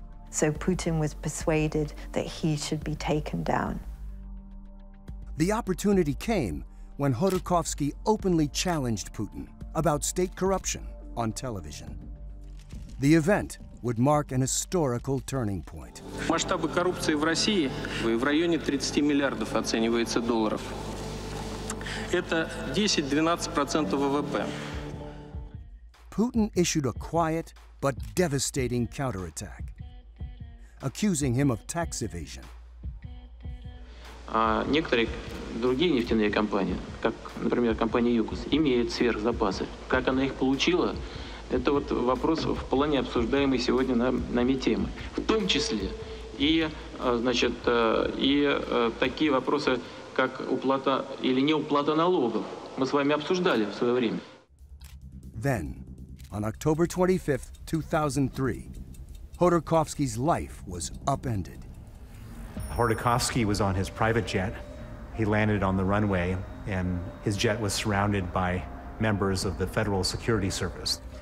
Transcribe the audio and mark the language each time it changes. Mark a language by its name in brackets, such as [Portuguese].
[English] So Putin was persuaded that he should be taken down. The opportunity came when Khodorkovsky openly challenged Putin about state corruption on television. The event would mark an historical turning point. [Russian] Масштабы коррупции в России в районе 30 миллиардов оценивается долларов. Это 10-12% ВВП. [English] Putin issued a quiet but devastating counterattack, accusing him of tax evasion. [Russian] Некоторые другие нефтяные компании, как, например, компания Yukos, имеют сверхзапасы. Как она их получила, это вот вопрос в плане обсуждаемый сегодня нами темы. В том числе такие вопросы, как уплата или неуплата налогов, мы с вами обсуждали в свое время. [English] Then, on October 25th, 2003, Khodorkovsky's life was upended. Khodorkovsky was on his private jet. He landed on the runway, and his jet was surrounded by members of the Federal Security Service.